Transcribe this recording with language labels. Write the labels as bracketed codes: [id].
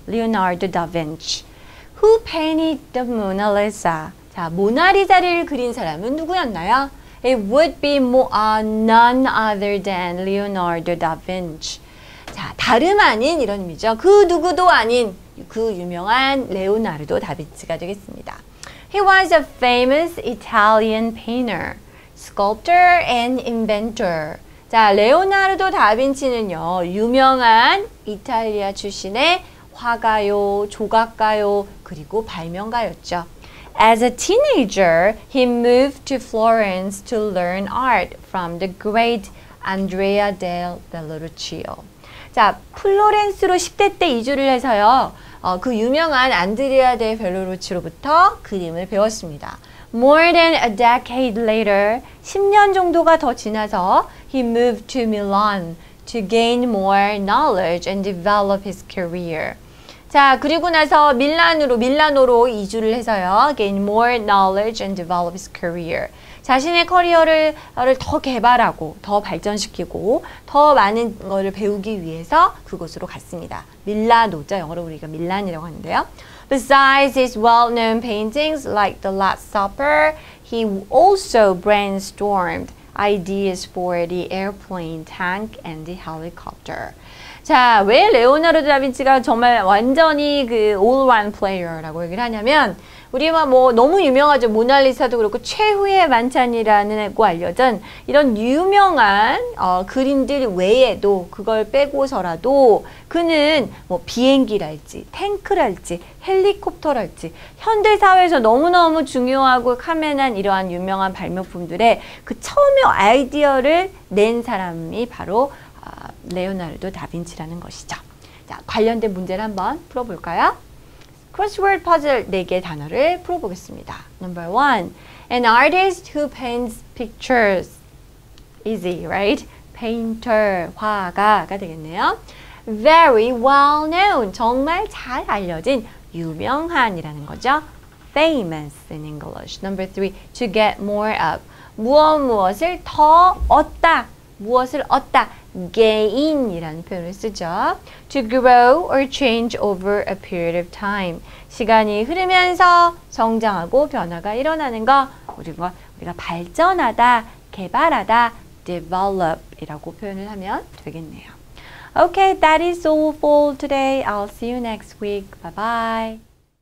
[en] Leonardo da Vinci. Who painted the Mona Lisa? [ko] 자, 모나리자를 그린 사람은 누구였나요? [en] It would be none other than Leonardo da Vinci. [ko] 자, 다름 아닌 이런 의미죠. 그 누구도 아닌 그 유명한 레오나르도 다빈치가 되겠습니다. [en] He was a famous Italian painter, sculptor, and inventor. [ko] 자, 레오나르도 다빈치는요, 유명한 이탈리아 출신의 화가요, 조각가요, 그리고 발명가였죠. [en] As a teenager, he moved to Florence to learn art from the great Andrea del Verrocchio. [ko] 자, 플로렌스로 10대 때 이주를 해서요, 그 유명한 안드레아 델 베르로치로부터 그림을 배웠습니다. [en] More than a decade later, [ko] 10년 정도가 더 지나서 [en] he moved to Milan to gain more knowledge and develop his career. [ko] 자, 그리고 나서 밀라노로 이주를 해서요. [en] Gain more knowledge and develop his career. [ko] 자신의 커리어를 더 개발하고 더 발전시키고 더 많은 것을 배우기 위해서 그곳으로 갔습니다. 밀라노죠. 영어로 우리가 밀란이라고 하는데요. [en] Besides his well-known paintings like The Last Supper, he also brainstormed ideas for the airplane, tank, and the helicopter. [ko] 자, 왜 레오나르도 다빈치가 정말 완전히 그 [en] all-round player [ko] 라고 얘기를 하냐면 우리가 뭐 너무 유명하죠. 모나리사도 그렇고 최후의 만찬이라고 알려진 이런 유명한 그림들 외에도 그걸 빼고서라도 그는 뭐 비행기랄지 탱크랄지 헬리콥터랄지 현대사회에서 너무너무 중요하고 카멘한 이러한 유명한 발명품들의 그 처음에 아이디어를 낸 사람이 바로 레오나르도 다빈치라는 것이죠. 자, 관련된 문제를 한번 풀어볼까요? Crossword puzzle 네 개 단어를 풀어보겠습니다. [en] Number one, an artist who paints pictures. Easy, right? [ko] Painter, 화가가 되겠네요. [en] Very well known, [ko] 정말 잘 알려진 유명한이라는 거죠. [en] Famous in English. Number three, to get more of. [ko] 무엇을 더 얻다. 무엇을 얻다. gain이라는 표현을 쓰죠. [en] To grow or change over a period of time. [ko] 시간이 흐르면서 성장하고 변화가 일어나는 거. 우리가 발전하다, 개발하다, develop이라고 표현을 하면 되겠네요. [en] Okay, that is all for today. I'll see you next week. Bye-bye.